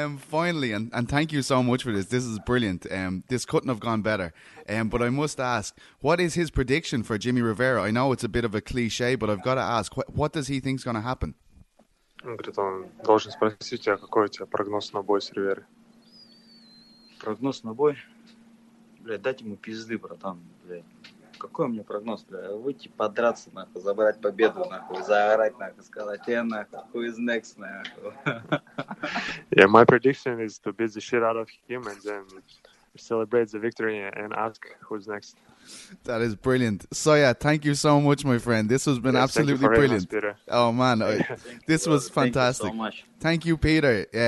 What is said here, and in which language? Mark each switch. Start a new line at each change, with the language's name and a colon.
English: Finally, and thank you so much for this. This is brilliant. This couldn't have gone better. But I must ask, what is his prediction for Jimmy Rivera? I know it's a bit of a cliche, but I've got to ask, what does he think is going to happen?
Russian: Он говорит, он должен спросить тебя, какой у тебя прогноз на бой с Риверой. Прогноз на бой? Блядь, дать ему пизды, братан. Блядь, какой у меня прогноз, блядь? Выйти подраться, нахуй, забрать победу, нахуй, заорать, нахуй, сказать, я, нахуй,
English: who is next,
Russian: нахуй.
English: Yeah, my prediction is to beat the shit out of him and then celebrate the victory and ask who's next. That is brilliant. So yeah, thank you so much, my friend. This has been absolutely brilliant. Us, oh man, this was fantastic. Thank you so much. Thank you, Peter.